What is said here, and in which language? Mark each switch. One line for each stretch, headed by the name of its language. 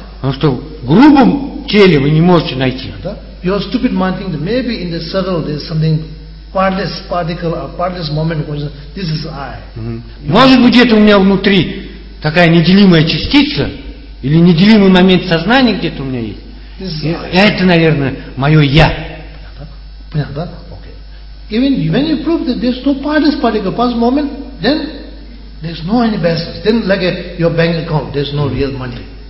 Russian: Потому что в грубом теле вы не можете найти.
English: Your stupid mind thinks that maybe in the subtle there is something partless particle or partless moment. This is I.
Russian: Может быть, где-то у меня внутри такая неделимая частица или неделимый момент сознания где-то у меня есть. Это, наверное, мое я. Понятно? Да? Okay.
English: Even when you prove that there is no partless particle, partless moment, then there's no any basis. Then like your bank account, there's no real money.